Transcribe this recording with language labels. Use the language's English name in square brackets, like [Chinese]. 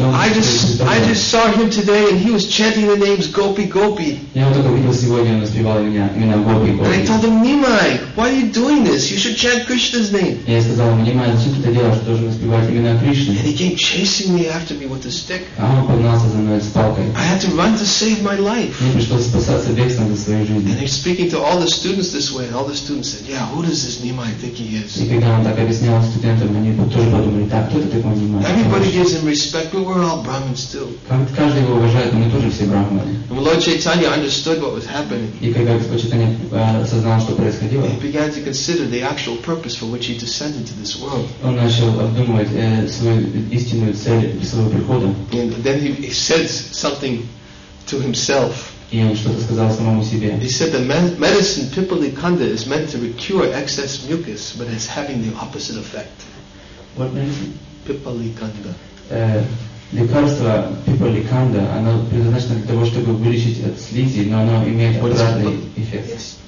[English] I just saw him today and he was chanting the names Gopi Gopi. [Russian] Я его только видел сегодня, он распевал имена Гопи Гопи. [English] And I told him, Nimai, why are you doing this? You should chant Krishna's name. [Russian] Я сказал ему, Нимай, зачем ты это делаешь? Ты должен распевать имена Кришны. [English] And he came chasing me after me with a stick. [Russian] А он погнался за мной с палкой. [English] I had to run to save my life. [Russian] Мне пришлось спасаться бегством за свою жизнь. [English] And he's speaking to all the students this way, and all the students said, yeah, who does this Nimai? [Russian] И когда он так объяснял студентам, они тоже подумали, так, кто это такой Нимай? [English] Everybody gives him respect, but we're all Brahmins too. [Russian] Каждый его уважает, но мы тоже все Брахманы. [English] Lord Chaitanya understood what was happening. [Russian] И когда Господь Чайтанья осознал, что происходило, [English] he began to consider the actual purpose for which he descended to this world. [Russian] Он начал обдумывать свою истинную цель своего прихода. [English] And then he said something to himself. [Russian] И он что-то сказал самому себе. [English] He said the medicine Pipalikanda is meant to cure excess mucus, but it's having the opposite effect. What medicine? Pipalikanda. [Russian] лекарства people ликанда, оно предназначено для того, чтобы вылечить от слизи, но оно имеет обратный эффект.